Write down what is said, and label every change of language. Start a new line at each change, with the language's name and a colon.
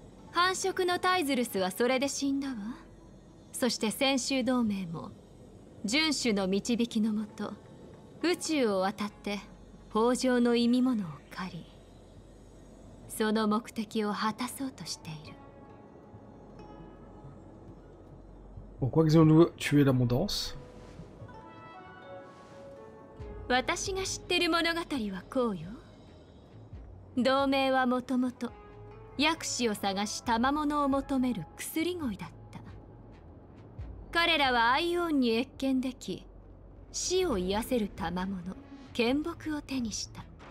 Japanese: 繁殖のタイズルスはそれで死んだわ。そして先週同盟も遵守の導きのもと宇宙を渡って豊穣の忌み物を借り、その目的を果たそうとしている。
French: Pourquoi ils ont tué l'abondance?
Japanese: 私が知ってる物語はこうよ。同盟はもともと薬師を探し賜物を求める薬乞いだった。彼らはアイオンに謁見でき、死を癒せる賜物、剣木を手にした。